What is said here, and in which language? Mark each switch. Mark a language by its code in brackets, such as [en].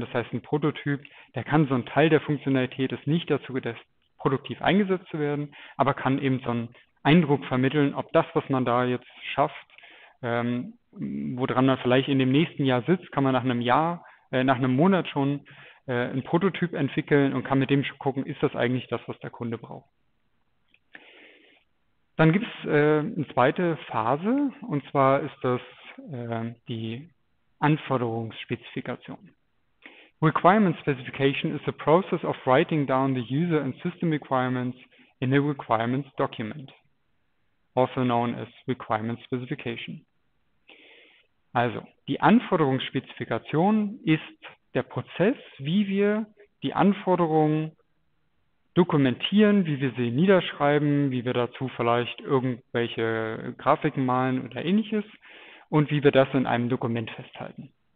[de] Das heißt, ein Prototyp, der kann so ein Teil der Funktionalität, ist nicht dazu gedacht, produktiv eingesetzt zu werden, aber kann eben so einen Eindruck vermitteln, ob das, was man da jetzt schafft, woran man vielleicht in dem nächsten Jahr sitzt, kann man nach einem Jahr, nach einem Monat schon einen Prototyp entwickeln und kann mit dem schon gucken, ist das eigentlich das, was der Kunde braucht. Dann gibt es eine zweite Phase, und zwar ist das die Anforderungsspezifikation. [en] Requirement Specification is the process of writing down the user and system requirements in a requirements document, also known as Requirement Specification. [de] Also, die Anforderungsspezifikation ist der Prozess, wie wir die Anforderungen dokumentieren, wie wir sie niederschreiben, wie wir dazu vielleicht irgendwelche Grafiken malen oder ähnliches und wie wir das in einem Dokument festhalten.